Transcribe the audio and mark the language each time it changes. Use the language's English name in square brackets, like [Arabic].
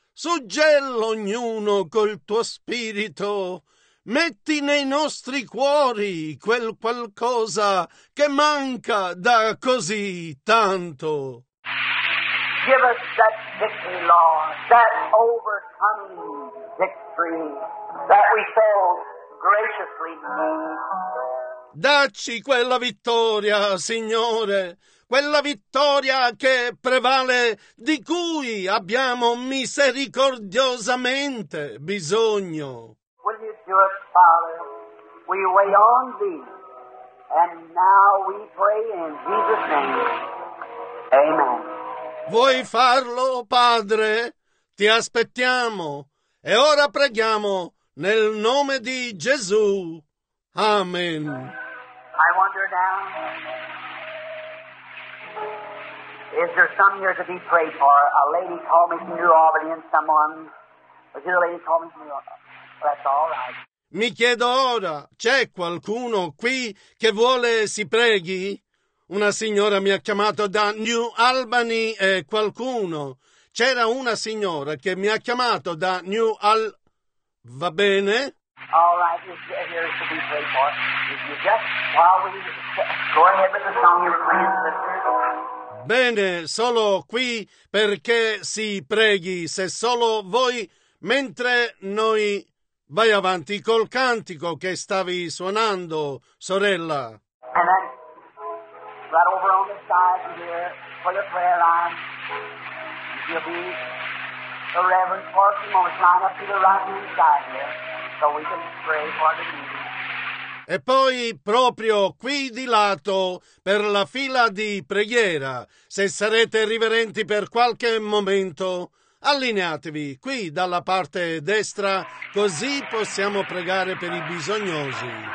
[Italian] Suggella ognuno col tuo spirito, metti nei nostri cuori quel qualcosa che manca da così tanto. [English] Give us that victory, Lord, that overcoming victory that we so graciously need. [Italian] Dacci quella vittoria, Signore. Quella vittoria che prevale, di cui abbiamo misericordiosamente bisogno. [English] Will you do it, Father? We wait on thee, and now we pray in Jesus' name. Amen. [Italian] Vuoi farlo, Padre? Ti aspettiamo, e ora preghiamo nel nome di Gesù. Amen. [English] I wonder now. Is there some here to be prayed for? A lady called me from New Albany and someone. Was it a lady called me from New Albany? That's all right. [Italian] Mi chiedo ora, c'è qualcuno qui che vuole si preghi? Una signora mi ha chiamato da New Albany e qualcuno. C'era una signora che mi ha chiamato da New Al... Va bene? [English] All right, here is to be prayed for. If you just, while we... Go ahead with the song you're playing, sister. [Italian] Bene, solo qui perché si preghi, se solo voi, mentre noi... Vai avanti col cantico che stavi suonando, sorella. [English] And then, right over on the side here, for your prayer line, you'll be the reverend for a few moments, line up to the right hand side here, so we can pray for the meeting. [Italian] E poi proprio qui di lato per la fila di preghiera, se sarete riverenti per qualche momento, allineatevi qui dalla parte destra, così possiamo pregare per i bisognosi.